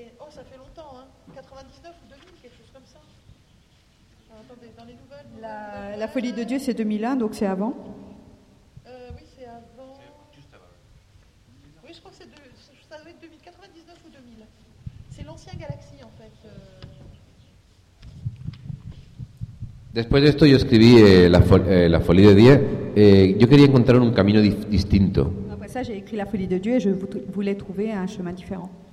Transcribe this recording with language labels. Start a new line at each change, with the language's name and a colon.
French: Ça fait longtemps, hein. 99 ou 2000, quelque chose comme ça. Alors, attendez, dans les nouvelles. La Folie de Dieu, c'est 2001, donc c'est avant. Oui, c'est avant. C'est juste avant. Oui, je crois que ça doit être 2000, 99 ou 2000. C'est l'ancien Galaxy, en fait.
Spanish: Después de esto, yo escribí La Folie de Dieu. Yo quería encontrar un camino distinto.
French: Après ça, j'ai écrit La Folie de Dieu et je voulais trouver un chemin différent.